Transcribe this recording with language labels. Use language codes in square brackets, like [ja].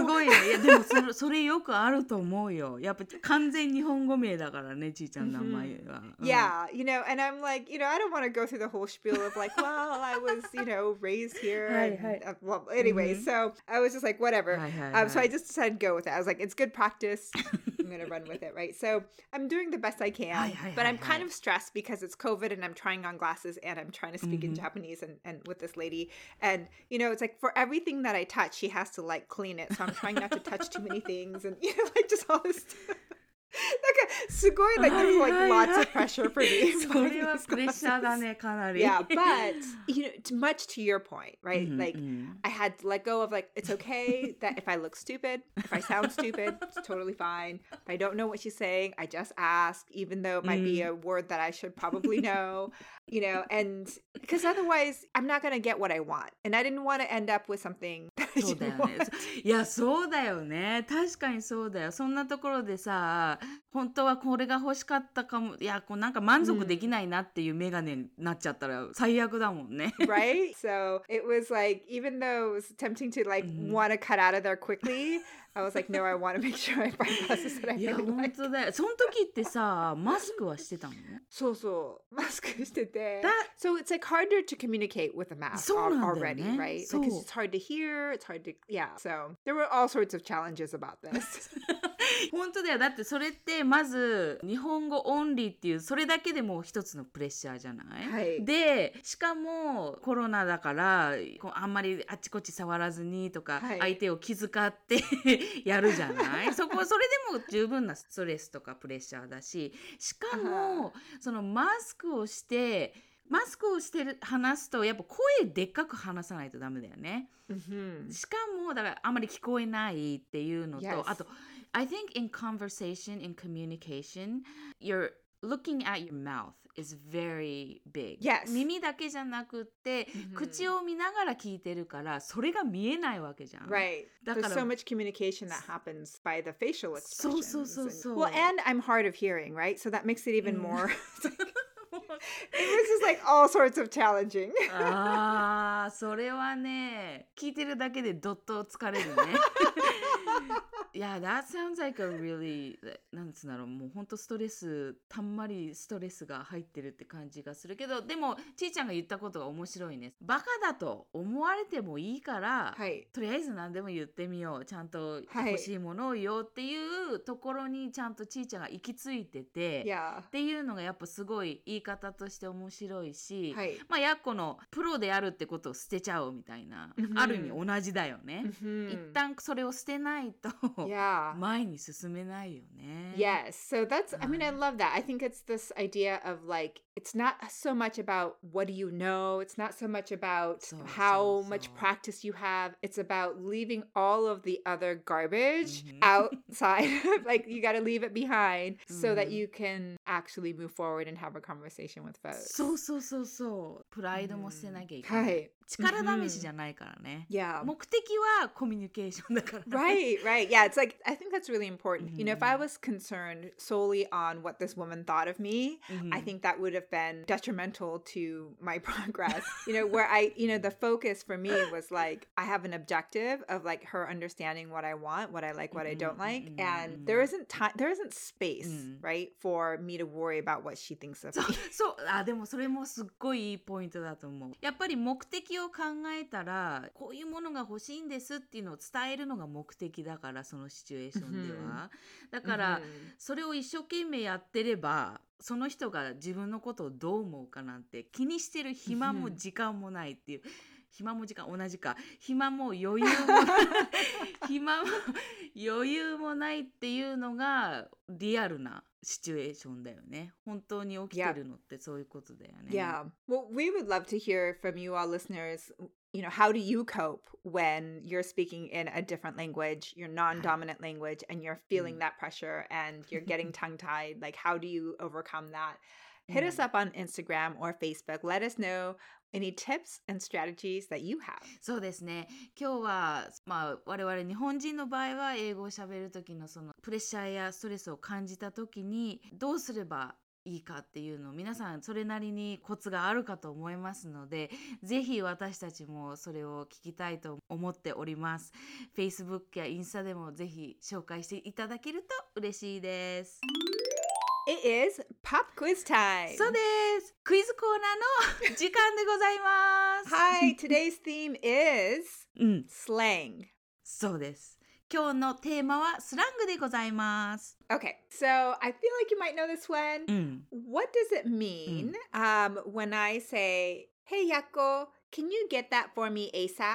[ja] すごいね。いやでもそれよくあると思うよ。やっぱ完全日本語名だからね、ちーちゃんの名前は。 Mm-hmm. [en] Yeah, you know, and I'm like, you know, I don't want to go through the whole spiel of like, well, I was, you know, raised here. [ja] はいはい。 [en] Well, anyway, so I was just like, whatever. [ja] はいはいはい。 [en] So I just decided to go with it. I was like, it's good practice. I'm going to run with it, right? So I'm doing the best I can. [ja] はいはいはい。 [en] But I'm kind of stressed because it's COVID and I'm trying on glasses and I'm trying to speak mm-hmm. in Japanese and with this lady. And, you know, it's like for everything that I touch, she has to like clean it. So I'm trying not to touch too many things and, you know, like just all this stuff. [ja] なんかすごい [en] like there's like lots of pressure for me. [ja] それはプレッシャーだね、かなり。 [en] Yeah, but, you know, much to your point, right? Mm-hmm. Like I had to let go of like, it's okay that if I look stupid, if I sound stupid, it's totally fine. If I don't know what she's saying, I just ask, even though it might be a word that I should probably know, you know, and because otherwise I'm not going to get what I want. And I didn't want to end up with something that I didn't want. [ja] Yeah, そうだよね。確かにそうだよ。そんなところでさ、本当はこれが欲しかったかも、いや、こうなんか満足できないなっていうメガネになっちゃったら最悪だもんね。 [en] Right? So it was like, even though it was tempting to like want to cut out of there quickly, I was like, no, I want to make sure I find glasses that I really like. [ja] いや、本当だよ。その時ってさ、マスクはしてたの？そうそう。マスクしてて。 [en] That... So it's like harder to communicate with a mask [ja] そうなんだよね、 [en] already, right? [ja] そう。 [en] Because it's hard to hear, it's hard to, yeah. So there were all sorts of challenges about this. [ja] 本当だよ。だってそれってまず日本語オンリーっていうそれだけでも一つのプレッシャーじゃない、はい、でしかもコロナだからあんまりあちこち触らずにとか、はい、相手を気遣ってやるじゃないそこそれでも十分なストレスとかプレッシャーだし、しかもそのマスクをして話すとやっぱ声でっかく話さないとダメだよね、 mm-hmm. しかもだからあまり聞こえないっていうのと、 [en] yes. あと I think in conversation, in communication, you're looking at your mouth is very big、 yes. [ja] 耳だけじゃなくって、mm-hmm. 口を見ながら聞いてるからそれが見えないわけじゃん、 [en] right. だから There's so much communication that happens by the facial expressions [ja] そうそうそうそう [en] and... Well, and I'm hard of hearing, right? So that makes it even more... It was just like all sorts of challenging. [ja] ああ、それはね、聞いてるだけでどっと疲れるね。 [en] Yeah, that sounds like a really, [ja] なんつうんだろう、もう本当ストレス、たんまりストレスが入ってるって感じがするけど、でも、ちーちゃんが言ったことが面白いね。バカだと思われてもいいから、はい、とりあえず何でも言ってみよう、ちゃんと欲しいものを言おうっていうところにちゃんとちーちゃんが行き着いてて、 [en] yeah. [ja] っていうのがやっぱすごい言い方として面白いし、はい、まあやっこのプロであるってことを捨てちゃおうみたいな、mm-hmm. ある意味同じだよね。 Mm-hmm. 一旦それを捨てないと、 [en] Yeah. [ja] 前に進めないよね。 [en] Yes. So that's, I mean, I love that. I think it's this idea of like, it's not so much about what do you know. It's not so much about how much practice you have. It's about leaving all of the other garbage outside. Like, you got to leave it behind so that you can actually move forward and have a conversation with folks. [ja] そうそうそうそう。プライドも捨てなきゃいけない。はい。力試しじゃないからね。 [en] Mm-hmm. Yeah. [ja] 目的はコミュニケーションだから、 [en] ね。Right, right. Yeah, it's like, I think that's really important. Mm-hmm. You know, if I was concerned solely on what this woman thought of me, mm-hmm. I think that would have been detrimental to my progress. You know, where I, you know, the focus for me was like, I have an objective of like her understanding what I want, what I like, what mm-hmm. I don't like. Mm-hmm. And there isn't time, there isn't space, mm-hmm. right, for me to worry about what she thinks of me. [ja] So, でもそれもすっごいいいポイントだと思う。やっぱり目的を考えたらこういうものが欲しいんですっていうのを伝えるのが目的だから、そのシチュエーションでは、mm-hmm. だから、mm-hmm. それを一生懸命やってればその人が自分のことをどう思うかなんて気にしてる暇も時間もないっていう、mm-hmm. 暇も時間同じか、暇も余裕も暇も余裕もないっていうのがリアルなシチュエーションだよね。本当に起きてるのってそういうことだよね。 [en] Yeah. Well, we would love to hear from you all listeners, you know, how do you cope when you're speaking in a different language, your non-dominant language, and you're feeling that pressure and you're getting tongue-tied? Like, how do you overcome that? Hit us up on Instagram or Facebook. Let us know any tips and strategies that you have. [ja] そうですね。今日は、まあ、我々日本人の場合は英語を喋る時のそのプレッシャーやストレスを感じた時にどうすればいいかっていうのを皆さんそれなりにコツがあるかと思いますので、ぜひ私たちもそれを聞きたいと思っております。 Facebook やインスタでもぜひ紹介していただけると嬉しいです。 [en] It is pop quiz time. [ja] そうです。クイズコーナーの時間でございます。 [en] Hi, today's theme is slang. [ja] そうです。今日のテーマはスラングでございます。 [en] Okay, so I feel like you might know this one. What does it mean when I say, Hey, Yakko, can you get that for me ASAP?